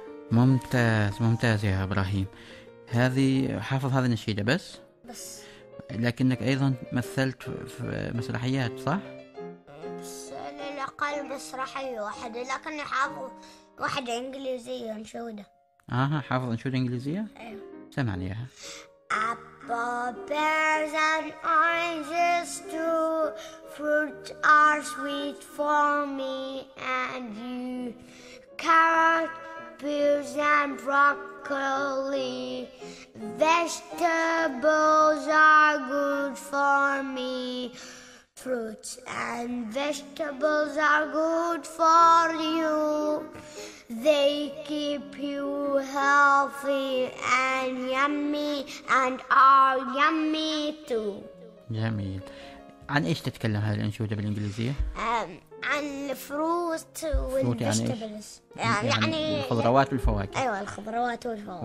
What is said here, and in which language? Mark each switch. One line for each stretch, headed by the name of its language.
Arabic: ممتاز ممتاز يا إبراهيم. هذه حافظ هذه النشيدة بس؟ بس. لكنك أيضا مثلت في مسرحيات صح؟ بس على الأقل مسرحية واحدة لكن حافظ واحدة إنجليزية أنشودة. آه حافظ أنشودة إنجليزية؟ أيوة. سمعني إياها.
English: Apple, pears and oranges too. Fruit are sweet for me and you. Carrot, peas and broccoli. Vegetables are good for me. Fruits and vegetables are good for you. They keep you healthy and yummy and are yummy too.
Arabic: جميل. عن ايش تتكلم هذه الانشوده بالانجليزيه؟ عن الفروت والفيجيتابلز. يعني الخضروات والفواكه. ايوه الخضروات والفواكه